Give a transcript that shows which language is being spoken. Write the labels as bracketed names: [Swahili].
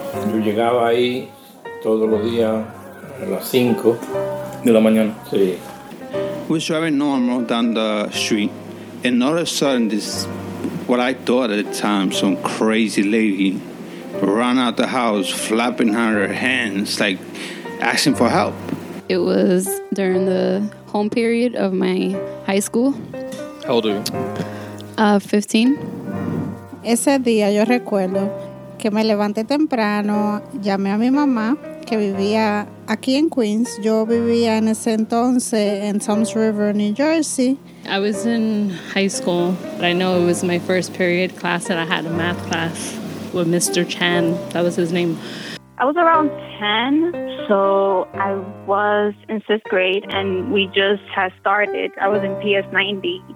[Spanish] Yo llegaba ahí todos los días a las 5 de la mañana. Sí. [English] We was driving normal down the street, and all of a sudden, this, what I thought at the time, some crazy lady ran out the house, flapping her hands, like asking for help. It was during the home period of my high school. How old are you? 15. [Spanish] Ese día yo recuerdo que me levanté temprano, llamé a mi mamá, que vivía aquí en Queens. Yo vivía en ese entonces en Toms River, New Jersey. [English] I was in high school, but I know it was my first period class, and I had a math class with Mr. Chan. That was his name. I was around 10, so I was in sixth grade, and we just had started. I was in PS90.